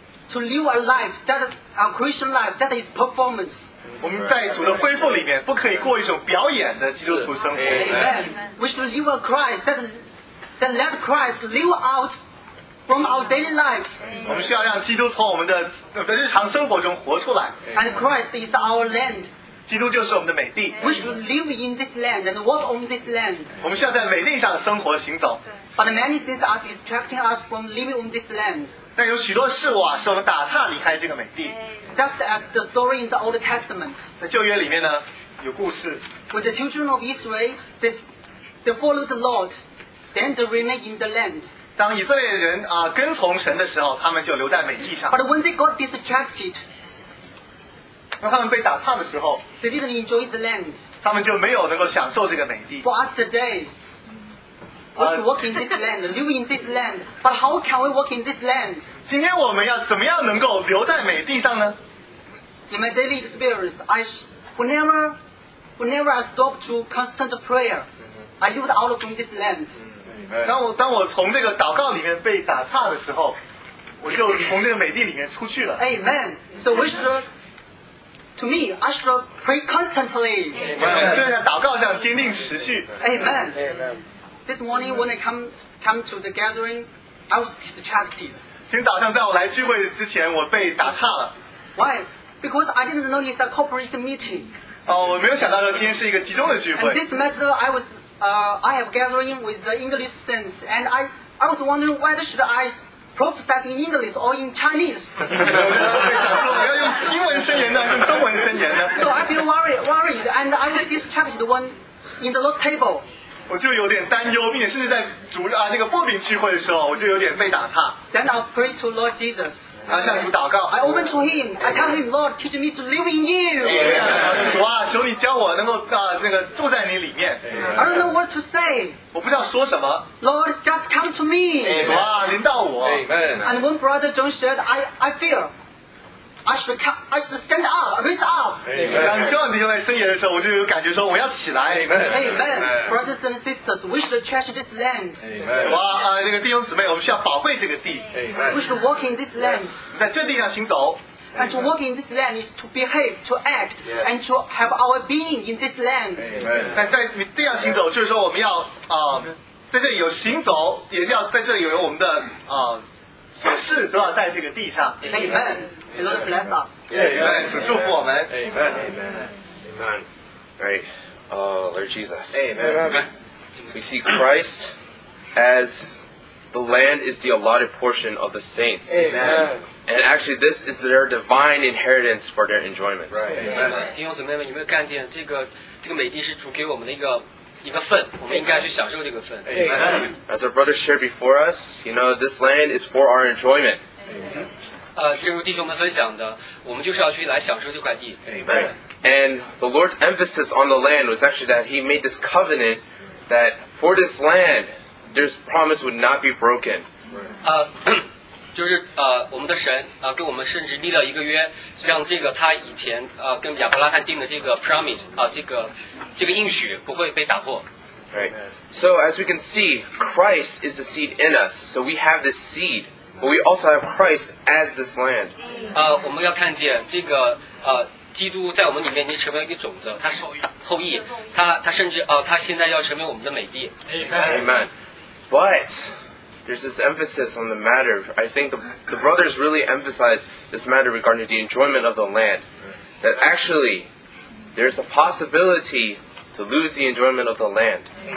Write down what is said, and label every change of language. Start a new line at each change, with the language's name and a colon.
English: to live a life that a Christian life that is performance.
Chinese: 我们在主的恢复里面不可以过一种表演的基督徒生活。
English: Amen. We should live a Christ that let Christ live out from our daily life.
Chinese: 我们需要让基督从我们的日常生活中活出来。
English: And Christ is our land.
Chinese: 基督就是我们的美地。
English: We should live in this land and walk on this land.
Chinese: 我们需要在美地上生活行走。
English: But many things are distracting us from living on this land.
Chinese: 但有许多事物啊，使我们打岔离开这个美地。
English: Just as the story in the Old Testament.
Chinese: 在旧约里面呢，有故事。
English: When the children of Israel they followed the Lord, then they remained in the land.
Chinese: 当以色列人啊跟从神的时候，他们就留在美地上。
English: But when they got distracted.
Chinese: 当他们被打岔的时候
English: they didn't enjoy the land.
Chinese: 他们就没有能够享受这个美地
English: But today we should walk in this land, live in this land. But how can we walk in this land?
Chinese: 今天我们要怎么样能够留在美地上呢
English: In my daily experience, whenever I stop to constant prayer, I lived out from this land.
Chinese: 当我从这个祷告里面被打岔的时候我就从这个美地里面出去了
English: Amen. So we should To me, I should pray constantly. Amen. Amen. This morning when I come to the gathering, I was distracted.
Chinese: 今早上在我来聚会之前，我被打岔了。
English: Why? Because I didn't know it's a corporate meeting.
Chinese: 哦，我没有想到说今天是一个集中的聚会。
English: And this matter, I have gathering with the English saints, and I was wondering whether should I. Prophesy in English or in Chinese.
Chinese: 我要用英文宣言呢，用中文宣言呢。
English: So I feel worried, and I was distracted when in the Lord's table.
Chinese: 我就有点担忧，并且甚至在主啊那个薄饼聚会的时候，我就有点被打岔。
English: Then I pray to Lord Jesus.
Chinese: 啊，向主祷告。
English: I open to Him. I tell Him, Lord, teach me to live in You.
Chinese: 主啊，求你教我能够啊那个住在你里面。
English: I don't know what to say.
Chinese: 我不知道说什么。
English: Lord, just come to me.
Chinese: 主啊，临到我。
English: And when Brother John said, I fear, I should stand up, raise up.
Chinese: 当这样的弟兄来伸言的时候，我就有感觉说我要起来。
English: Amen. Brothers and sisters, we should cherish this land.
Chinese: 哇，那个弟兄姊妹，我们需要宝贵这个地。
English: We should walk in this land.
Chinese: 在这地上行走。
English: And to walk in this land is to behave, to act, yes. and to have our being in this land. Amen.
Chinese: 在你这样行走，就是说我们要啊、在这里有行走，也要在这里有我们的啊所事都要在这个地上。
English: Amen. The Lord bless us.
Chinese: Amen. 主祝福我们。
English: Amen. Amen. Amen. Right. Lord Jesus. Amen. We see Christ as the land is the allotted portion of the saints. Amen. And actually, this is their divine inheritance for their enjoyment. Right.
Chinese: 弟兄姊妹们，有没有看见这个美地是主给我们的一个份，我们应该去享受这个份。
English: Amen. As our brother shared before us, you know, this land is for our enjoyment. Amen.
Chinese: 正如弟兄们分享的，我们就是要去来享受这块地。
English: Amen. And the Lord's emphasis on the land was actually that He made this covenant that for this land, this promise would not be broken. Right.
Chinese: 就是我们的神啊，跟我们甚至立了一个约，让这个他以前跟亚伯拉罕定的这个 promise 啊，这个应许不会被打破。
English: Right. So as we can see, Christ is the seed in us. So we have this seed, but we also have Christ as this land.
Chinese: 我们要看见这个基督在我们里面已经成为一个种子，他是后裔，他甚至他现在要成为我们的美地。
English: Amen. Amen. But there's this emphasis on the matter. I think the brothers really emphasize this matter regarding the enjoyment of the land. That actually, there's a possibility to lose the enjoyment of the land.